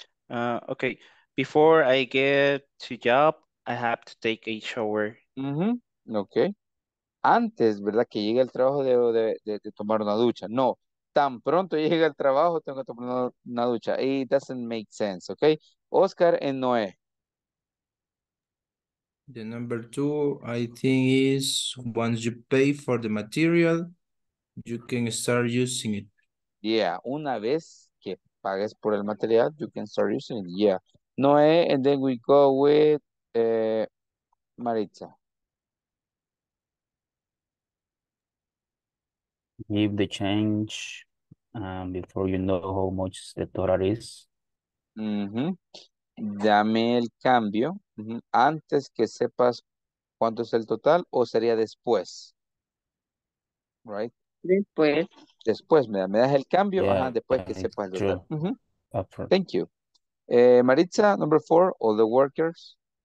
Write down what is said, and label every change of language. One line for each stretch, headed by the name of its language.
English: Okay. Before I get to job, I have to take a shower.
Spanish: Mm-hmm. Okay. Antes, ¿verdad? Que llegue el trabajo debo de tomar una ducha. No. Tan pronto llegue el trabajo, tengo que tomar una ducha.
English: It doesn't make sense, okay? Oscar and Noé. The number two, I think, is once you pay for the material, you can start using it.
Spanish: Yeah. Una vez que pagues por el material,
English: you can start using it.
Spanish: Yeah.
English: Noé, and then we go with Maritza. Give the change before you know how much the total is.
Spanish: Mm-hmm. Dame el cambio mm-hmm. antes que sepas cuánto es el total o sería después.
English: Right?
Spanish: Después. Después, me das el cambio. Yeah, ajá, después que sepas el total. Mm-hmm. Thank you.
English: Maritza, number four, all the workers.